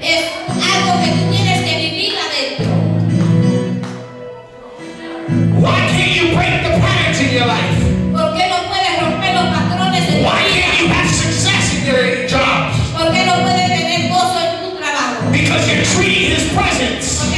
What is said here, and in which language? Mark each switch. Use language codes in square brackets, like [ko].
[es] Es algo que tú tienes que vivir adentro. [en] Why can't you break the patterns in your life? [es] ¿Por qué no puedes romper los patrones en [en] Why can't you have success in your jobs? [es] ¿Por qué no puedes tener gozo en tu trabajo? [en] Because you're treating his presence.